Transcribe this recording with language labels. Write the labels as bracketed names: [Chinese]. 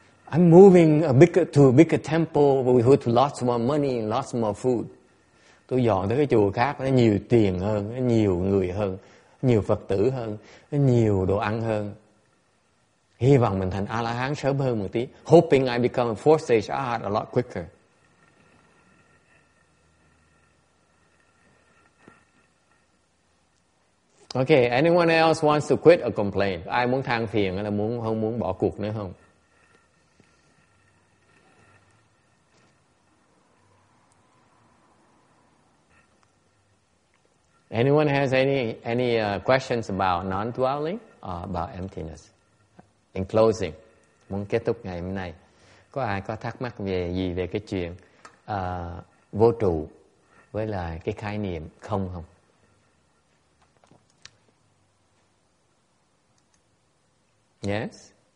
[English] I'm moving to a bigger temple with lots more money and lots more food. [Vietnamese] Tôi dọn tới cái chùa khác, nó nhiều tiền hơn, nó nhiều người hơn, nhiều Phật tử hơn, nó nhiều đồ ăn hơn. Hy vọng mình thành A-la-hán sớm hơn một tí. [English] Hoping I become a fourth stage A-la-hán a lot quicker. Okay, anyone else wants to quit or complain? [Vietnamese] Ai muốn than phiền hay là muốn không muốn bỏ cuộc nữa không? [English] Anyone has any questions about non-dwelling or about emptiness? In closing, [Vietnamese] muốn kết thúc ngày hôm nay, có ai có thắc mắc về gì về cái chuyện vô trụ với là cái khái niệm không không? [English] Yes?